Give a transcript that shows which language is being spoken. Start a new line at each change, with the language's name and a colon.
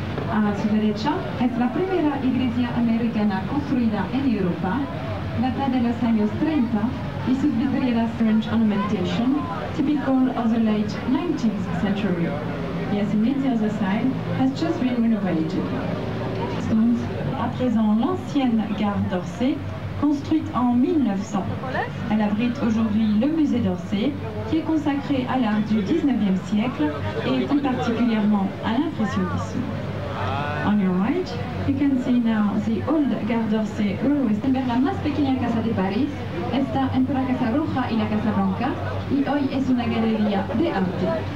Spanish: A su derecha es la primera iglesia americana construida en Europa, data de los años 30, y sus vidrieras
English: French ornamentation, typical of the late 19th century. Yes, indeed, the other side has just been renovated.
French: Donc, à présent, l'ancienne gare d'Orsay, construite en 1900. Elle abrite aujourd'hui le musée d'Orsay, qui est consacré à l'art du 19e siècle et plus particulièrement à l'impressionnisme.
English: On your right, you can see now the old Gare d'Orsay railway station.
Spanish: Vers la más pequeña casa de París, está entre la Casa Roja y la Casa Blanca, y hoy es una galería de arte.